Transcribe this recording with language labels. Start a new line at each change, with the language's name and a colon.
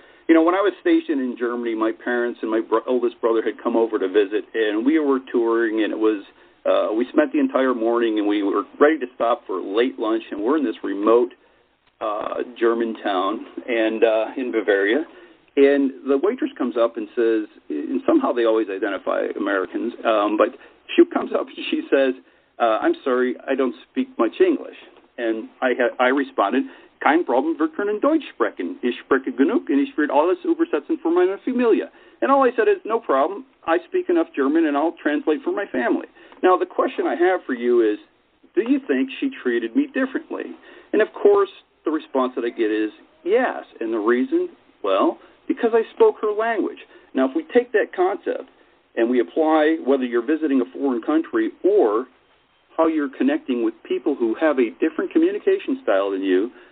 English: You know, when I was stationed in Germany, my parents and my oldest brother had come over to visit, and we were touring, and it was we spent the entire morning, and we were ready to stop for late lunch, and we're in this remote German town in Bavaria. And the waitress comes up and says, and somehow they always identify Americans, but she comes up and she says, I'm sorry, I don't speak much English. And I responded,
German: kein Problem, wir können Deutsch sprechen. Ich spreche genug, und ich spreche alles übersetzen für meine Familie.
English: And all I said is, no problem, I speak enough German, and I'll translate for my family. Now, the question I have for you is, do you think she treated me differently? And, of course, the response that I get is, yes. And the reason? Well, because I spoke her language. Now, if we take that concept and we apply whether you're visiting a foreign country or how you're connecting with people who have a different communication style than you,